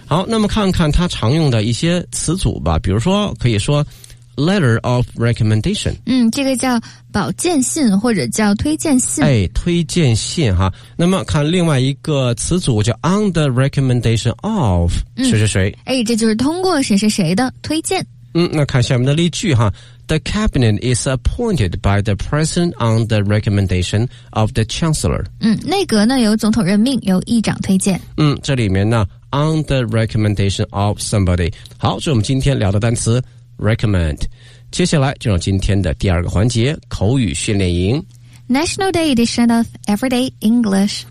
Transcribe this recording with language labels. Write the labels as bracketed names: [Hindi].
[Chinese] 好，那么看看他常用的一些词组吧，比如说可以说 [English] letter of recommendation。 [Chinese] 这个叫保荐信或者叫推荐信。哎，推荐信哈。那么看另外一个词组叫 [English] on the recommendation of [Chinese] 谁谁谁。哎，这就是通过谁谁谁的推荐。那看下面的例句哈， [English] The cabinet is appointed by the president on the recommendation of the chancellor。 [Chinese] 内阁呢由总统任命，由议长推荐。这里面呢 [English] on the recommendation of somebody。 [Chinese] 好，这是我们今天聊的单词recommend。接下来就让今天的第二个环节口语训练营 [English] National Day Edition of Everyday English